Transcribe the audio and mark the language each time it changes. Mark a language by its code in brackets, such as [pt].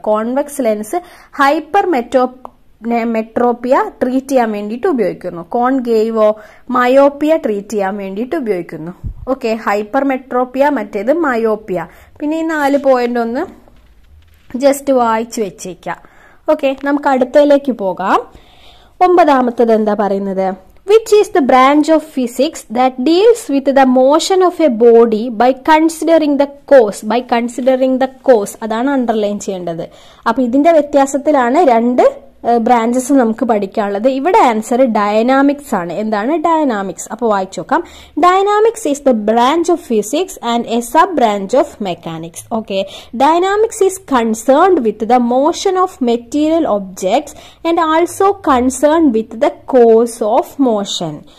[ml] Convex lens hyper മെട്രോപ്പിയ treat ചെയ്യാൻ വേണ്ടിയിട്ട് ഉപയോഗിക്കുന്നു. കോൺകേവോ മയോപ്പിയ ട്രീറ്റ് ചെയ്യാൻ വേണ്ടിയിട്ട് ഉപയോഗിക്കുന്നു. ഓക്കെ, ഹൈപ്പർ മെട്രോപ്പിയ, മറ്റേത് മയോപ്പിയ. പിന്നെ ഈ നാല് പോയിന്റ് ഒന്ന് ജസ്റ്റ് വായിച്ചു വെച്ചേക്കാം. ഓക്കെ, നമുക്ക് അടുത്തതിലേക്ക് പോകാം. ഒമ്പതാമത്തത് എന്താ പറയുന്നത്? [en] Which is the branch of physics that deals with the motion of a body by considering the cause, by considering the cause. [ml] അതാണ് അണ്ടർലൈൻ ചെയ്യേണ്ടത്. അപ്പൊ ഇതിന്റെ വ്യത്യാസത്തിലാണ് രണ്ട് ബ്രാഞ്ചസ് നമുക്ക് പഠിക്കാനുള്ളത്. ഇവിടെ ആൻസർ ഡയനാമിക്സ് ആണ്. എന്താണ് ഡയനാമിക്സ്? അപ്പൊ വായിച്ചു നോക്കാം. [en] Dynamics is the branch of physics and a sub branch of mechanics. Okay, dynamics is concerned with the motion of material objects and also concerned with the cause of motion.